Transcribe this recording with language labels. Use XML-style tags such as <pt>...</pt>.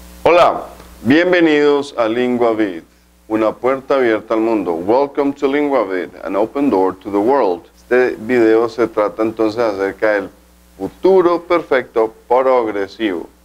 <es>Hola, bienvenidos a LinguaVid, una puerta abierta al mundo.</es> <en>Welcome to LinguaVid, an open door to the world.</en> <es>Este video se trata entonces acerca del futuro perfecto progresivo.</es>